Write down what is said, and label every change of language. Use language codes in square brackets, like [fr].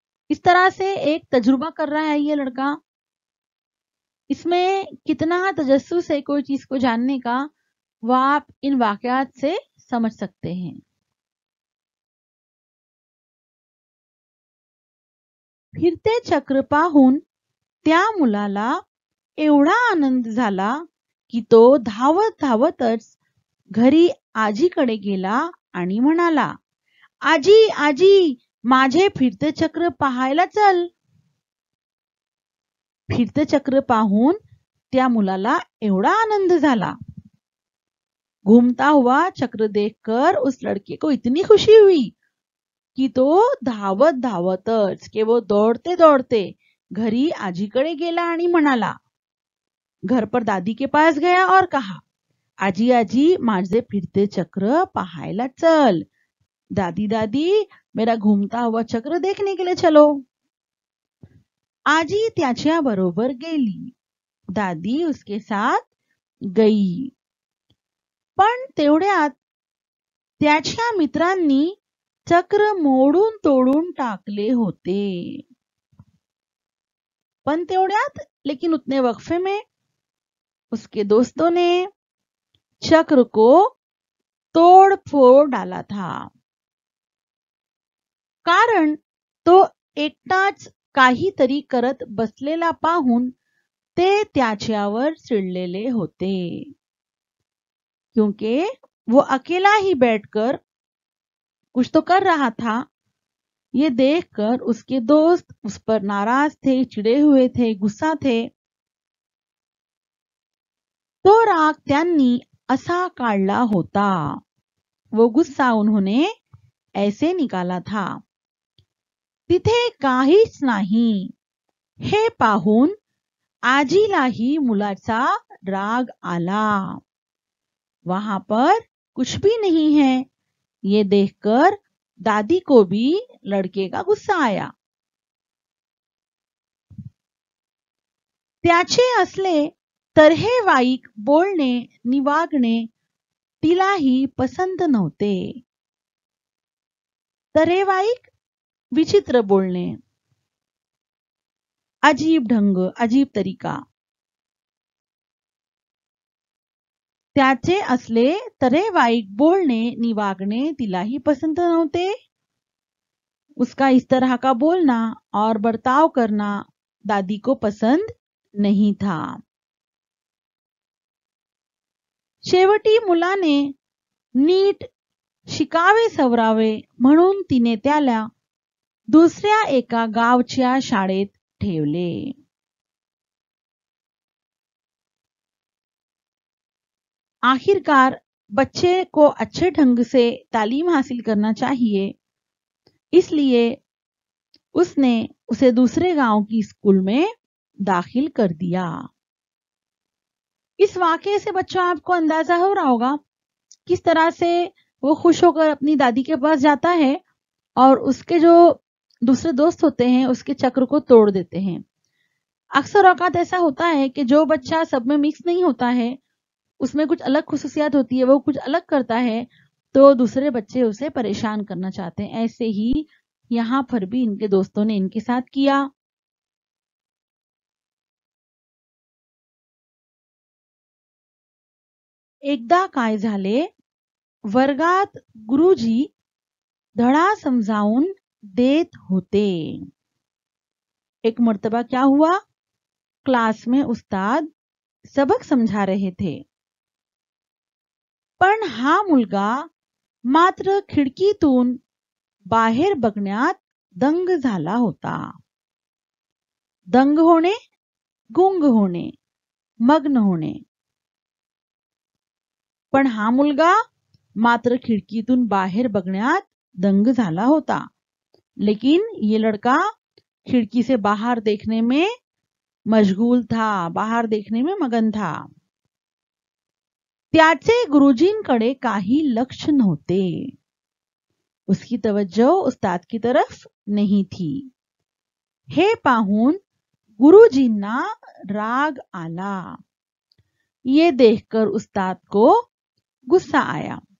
[hi] इस तरह से एक तजुर्बा कर रहा है ये लड़का। इसमें कितना तजस्सुस है कोई चीज को जानने का, वो आप इन वाक्यात से समझ सकते हैं। [mr] फिर ते चक्र पाहून त्या मुलाला एवढा आनंद झाला की तो धावत धावतच घरी आजीकडे गेला आणि म्हणाला, आजी आजी माझे फिरते चक्र पाहायला चल। फिरते चक्र पाहून त्या मुलाला एवढा आनंद झाला, [hi] घूमता हुआ चक्र देखकर उस लड़के को इतनी खुशी हुई कि [mr] तो धावत धावतच [hi] के वो दौड़ते दौड़ते [mr] घरी आजीकडे गेला आणि म्हणाला। [hi] घर पर दादी के पास गया और कहा, [mr] आजी आजी माझे फिरते चक्र पाहायला चल। [hi] दादी दादी मेरा घूमता हुआ चक्र देखने के लिए चलो। [mr] आजी त्याच्या बरोबर गेली, [hi] दादी उसके साथ गई। [mr] पण तेवढ्यात त्याच्या मित्रांनी चक्र मोडून तोडून टाकले होते। पण तेवढ्यात [hi] लेकिन उतने वक्फे में उसके दोस्तों ने चक्र को तोड़ फोड़ डाला था। [mr] कारण तो एकटाच काही तरी करत बसलेला पाहून ते त्याच्यावर चिडलेले होते, [hi] क्योंकि वो अकेला ही बैठकर कुछ तो कर रहा था। ये देखकर उसके दोस्त उस पर नाराज थे, चिढ़े हुए थे, गुस्सा थे। [mr] तो राग त्यांनी असा काढला होता, [hi] वो गुस्सा उन्होंने ऐसे निकाला था, [mr] तिथे काहीच नाही हे पाहून आजीलाही मुलाचा राग आला। [hi] वहां पर कुछ भी नहीं है ये देखकर दादी को भी लड़के का गुस्सा आया। [mr] त्याचे असले तरहे वाईक बोलणे निवागणे तिलाही पसंत नव्हते। तरहे वाईक विचित्र बोलणे, [hi] अजीब ढंग, अजीब तरीका। [mr] त्याचे असले तरे वाईक बोलणे निवागणे तिलाही पसंत नव्हते। [hi] उसका इस तरह का बोलना और बर्ताव करना दादी को पसंद नहीं था। [mr] शेवटी मुलाने नीट शिकावे सवरावे म्हणून तिने त्याला दुसऱ्या एका गावच्या शाळेत ठेवले। [hi] आखिरकार बच्चे को अच्छे ढंग से तालीम हासिल करना चाहिए, इसलिए उसने उसे दूसरे गांव की स्कूल में दाखिल कर दिया। इस वाक्य से बच्चों आपको अंदाजा हो रहा होगा किस तरह से वो खुश होकर अपनी दादी के पास जाता है और उसके जो दूसरे दोस्त होते हैं उसके चक्र को तोड़ देते हैं। अक्सर औकात ऐसा होता है कि जो बच्चा सब में मिक्स नहीं होता है, उसमें कुछ अलग खुसूसियात होती है, वो कुछ अलग करता है तो दूसरे बच्चे उसे परेशान करना चाहते हैं। ऐसे ही यहाँ पर भी इनके दोस्तों ने इनके साथ किया। [mr] एकदा काय झाले, वर्गात गुरुजी धडा समजावून देत होते। [hi] एक मर्तबा क्या हुआ, क्लास में उस्ताद सबक समझा रहे थे, पर [mr] पण हा मुलगा मात्र खिडकीतून बाहेर बघण्यात दंग झाला होता. दंग होणे, गुंग होणे, मग्न होणे. पण हा मुलगा मात्र खिडकीतून बाहेर बघण्यात दंग झाला होता. [hi] लेकिन ये लड़का खिड़की से बाहर देखने में मशगूल था, बाहर देखने में मगन था. [mr] त्याचे गुरुजींकडे काही लक्ष नव्हते, [hi] उसकी तवज्जो उस्ताद की तरफ नहीं थी. [mr] हे पाहून गुरुजींना राग आला. [hi] ये देखकर उस्ताद को गुस्सा आया.